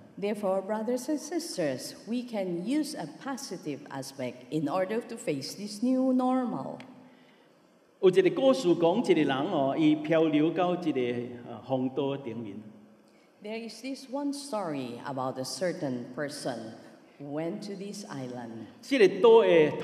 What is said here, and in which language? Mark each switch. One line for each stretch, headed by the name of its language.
English: Therefore, brothers and sisters, we can use a positive aspect in order to face this new normal.
Min Nan Chinese: 有一个故事讲，一个人哦，伊漂流到一个荒岛顶面。
English: There is this one story about a certain person. Went to this island.